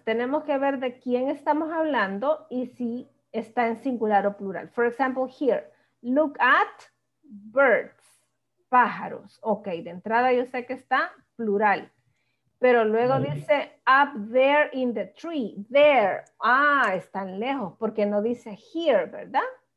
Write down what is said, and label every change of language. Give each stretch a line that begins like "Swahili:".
Spanish: Tenemos que ver de quién estamos hablando y si está en singular o plural.
English: For example, here. Look at birds. Pájaros.
Spanish: Ok, de entrada yo sé que está plural. Pero luego dice,
English: up there in the tree, there.
Spanish: Ah, están lejos, porque no dice here, ¿verdad?